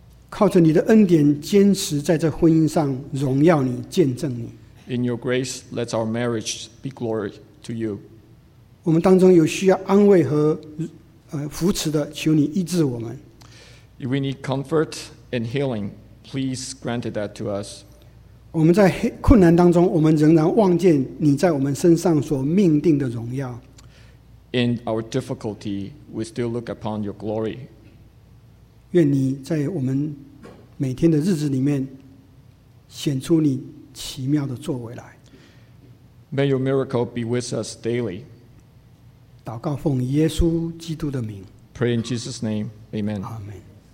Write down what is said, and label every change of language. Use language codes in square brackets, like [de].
[zh] 靠着你的恩典，坚持在这婚姻上荣耀你，见证你。 [en] In your grace, let our marriage be glory to you. [zh] 我们当中有需要安慰和扶持的，求你医治我们。 [en] If we need comfort and healing, please grant that to us. [zh] 我们在困难当中，我们仍然望见你在我们身上所命定的荣耀。 [en] In our difficulty, we still look upon your glory. [zh] 愿你在我们每天的日子里面显出你奇妙的作为来。 [en] May your miracle be with us daily. [zh] 祷告奉耶稣基督的名。 [en] Pray in Jesus' name. Amen. Amen.